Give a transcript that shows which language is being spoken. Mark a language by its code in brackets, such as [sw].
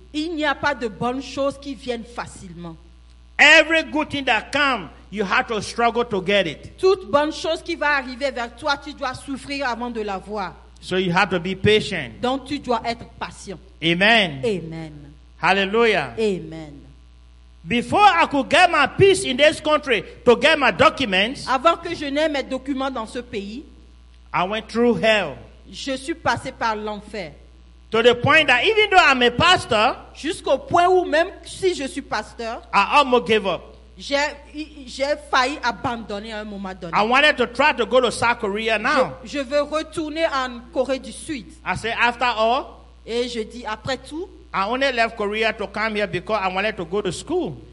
[fr] Il n'y a pas de bonnes choses qui viennent facilement. [en] Every good thing that comes, you have to struggle to get it. [fr] Toute bonne chose qui va arriver vers toi, tu dois souffrir avant de l'avoir. [en] So you have to be patient. [fr] Donc tu dois être patient. Amen. Amen. Hallelujah. Amen. [en] Before I could get my peace in this country to get my documents, [fr] avant que je n'aie mes documents dans ce pays, [en] I went through hell. [fr] Je suis passé par l'enfer. [en] To the point that even though I'm a pastor, [fr] jusqu'au point où même si je suis pasteur, [en] I almost gave up. [fr] J'ai failli abandonner à un moment donné. [en] I wanted to try to go to South Korea now. [fr] Je veux retourner en Corée du Sud. [en] I said after all, [fr] et je dis après tout, [en] I only left Korea to come here because I wanted to go to school.